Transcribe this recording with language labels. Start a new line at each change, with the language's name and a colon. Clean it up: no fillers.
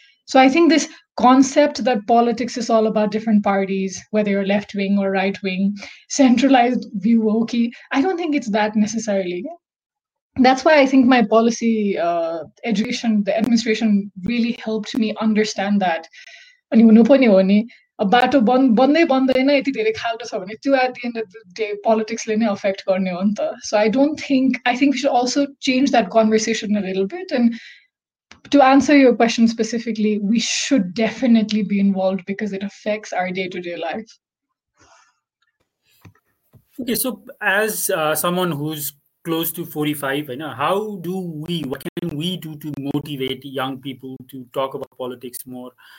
English: So I think this concept that politics is all about different parties, whether you're left wing or right wing, centralized view, okay, I don't think it's that necessarily. That's why I think my policy education, the administration really helped me understand that.
Nepali: बाटो बन्द बन्दै बन्दैन यति धेरै खाल्टो छ भने त्यो
English: at the end of the day
Nepali: पोलिटिक्सले नै अफेक्ट गर्ने हो नि त
English: So I don't think I think we should also change that conversation a little bit and to answer your question specifically, we should definitely be involved because it affects our day-to-day life. Okay, so as someone who's close to 45, you know, how do we, what can we do to motivate young people to talk about politics more?